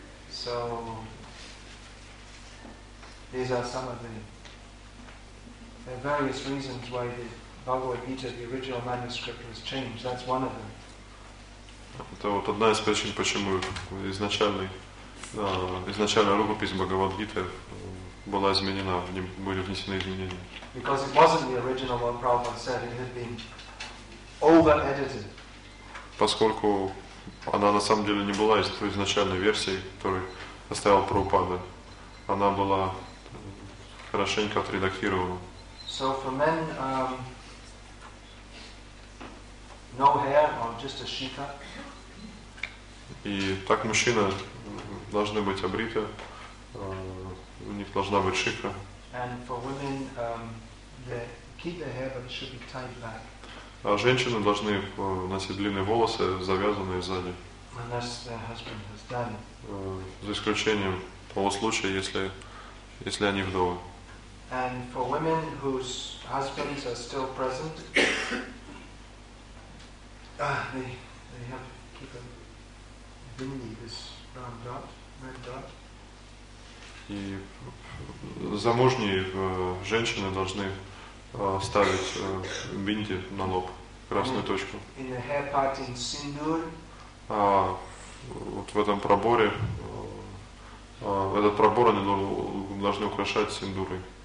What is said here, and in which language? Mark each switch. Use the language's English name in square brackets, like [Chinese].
[English] So, these are some of the various reasons why the Bhagavad Gita, the original manuscript, was changed. That's one of them. [Russian] Это вот одна из причин, почему изначальная рукопись Бхагавад-гиты была изменена, в ней были внесены изменения. [English] Because it wasn't the original one, Prabhupada said. It had been over-edited. [Russian] Поскольку она на самом деле не была из той изначальной версии, которую оставил Прабхупада. Она была хорошенько отредактирована. [English] So for men, no hair or just a shika. [Russian] И так мужчины должны быть обриты, у них должна быть шика. [English] And for women, they keep their hair, but it should be tied back. [Russian] А женщины должны носить длинные волосы, завязанные сзади. [English] Unless their husband has done. [Russian] За исключением того случая, если они вдовы. [English] And for women whose husbands are still present, they have to keep a bindi, this brown dot, red dot. [Russian] И замужние женщины должны ставить бинди на лоб, красную точку. [English] In the hair part in sindur. [Russian] Вот в этом проборе, этот пробор они должны украшать синдурой.